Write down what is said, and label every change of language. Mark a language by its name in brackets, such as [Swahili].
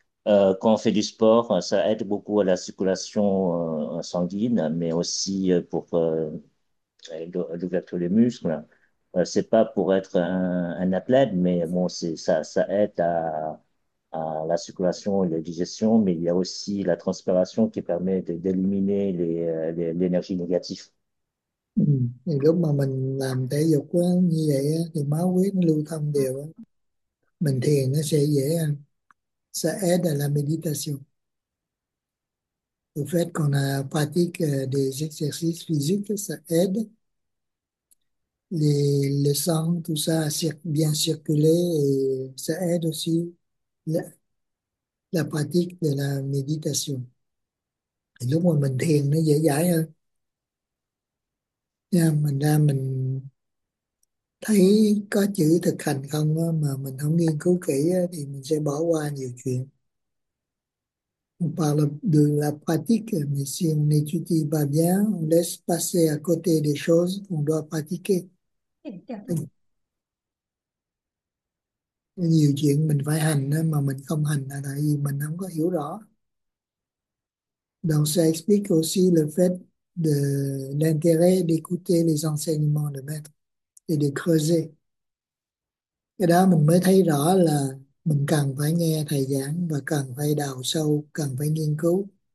[French] Quand on fait du sport, ça aide beaucoup à la circulation sanguine, mais aussi pour l'ouverture des muscles. C'est pas pour être un athlète, mais bon, ça aide à la circulation et la digestion, mais il y a aussi la transpiration qui permet d'éliminer l'énergie négative. Ừ. [Vietnamese] Thì lúc mà mình làm thể dục á, như vậy á, thì máu huyết nó lưu thông đều á. Mình thiền nó sẽ dễ hơn. [French] Ça aide à la méditation. Le fait qu'on a pratique des exercices physiques, ça aide. Le sang, tout ça, bien circuler et ça aide aussi la pratique de la méditation. [Vietnamese] Et lúc mà mình thiền nó dễ dãi hơn. Mình ra mình thấy có chữ thực hành không đó, mà mình không nghiên cứu kỹ đó, thì mình sẽ bỏ qua nhiều chuyện. [French] On parle de la pratique, mais si on n'étudie pas bien, on laisse passer à côté des choses qu'on doit pratiquer. [Vietnamese] Nhiều chuyện mình phải hành đó, mà mình không hành là tại vì mình không có hiểu rõ. [French] Donc, ça explique aussi le fait de l'intérêt d'écouter les enseignements de maître et de creuser. [Vietnamese] Cái đó mình mới thấy rõ là mình cần phải nghe thầy giảng và cần phải đào sâu, cần phải nghiên cứu.